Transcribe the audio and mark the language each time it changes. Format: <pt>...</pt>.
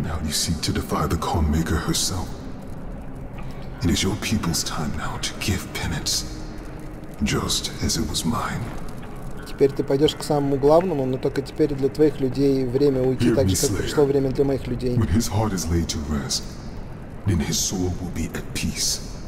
<en>Seek to defy the Calm Maker herself. It is your people's time now to give penance, just as it was mine.</en> <ru>Теперь ты пойдешь к самому главному, но только теперь для твоих людей время уйти так же, как пришло время для моих людей.</ru> <en>When his heart is laid to rest, then his soul will be at peace.</en>